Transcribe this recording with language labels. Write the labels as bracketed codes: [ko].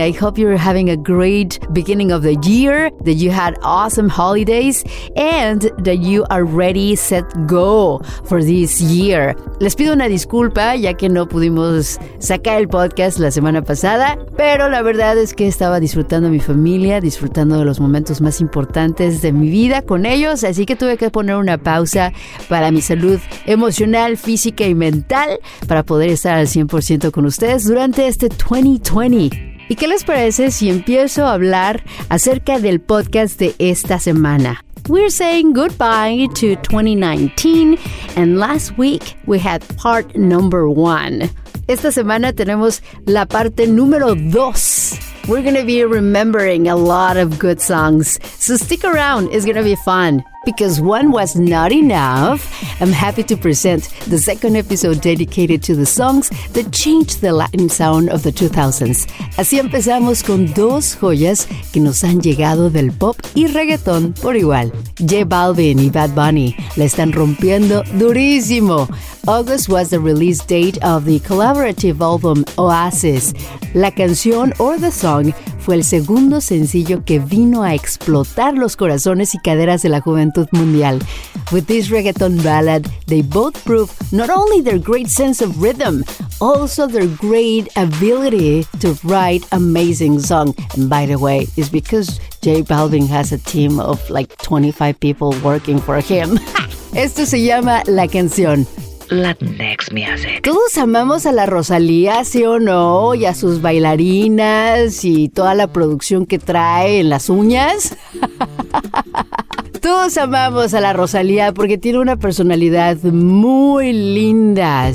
[en] I hope you're having a great beginning of the year, that you had awesome holidays, and that you are ready, set, go for this year. [es] Les pido una disculpa, ya que no pudimos sacar el podcast la semana pasada, pero la verdad es que estaba disfrutando a mi familia, disfrutando de los momentos más importantes de mi vida con ellos, así que tuve que poner una pausa para mi salud emocional, física y mental, para poder estar al 100% con ustedes durante este 2020. ¿Y qué les parece si empiezo a hablar acerca del podcast de esta semana? [en] We're saying goodbye to 2019, and last week we had part number one. [es] Esta semana tenemos la parte número dos. [en] We're going to be remembering a lot of good songs, so stick around, it's going to be fun. Because one was not enough, I'm happy to present the second episode dedicated to the songs that changed the Latin sound of the 2000s. [es] Así empezamos con dos joyas que nos han llegado del pop y reggaetón por igual. J Balvin y Bad Bunny la están rompiendo durísimo. [en] August was the release date of the collaborative album Oasis. [es] La canción [en] or the song [es] fue el segundo sencillo que vino a explotar los corazones y caderas de la juventud mundial. [en] With this reggaeton ballad, they both prove not only their great sense of rhythm, also their great ability to write amazing song. And by the way, it's because J Balvin has a team of like 25 people working for him. [es] Esto se llama La Canción. [en] Latinx Music. [es] Todos amamos a la Rosalía, sí o no, y a sus bailarinas y toda la producción que trae en las uñas. Todos amamos a la Rosalía porque tiene una personalidad muy linda.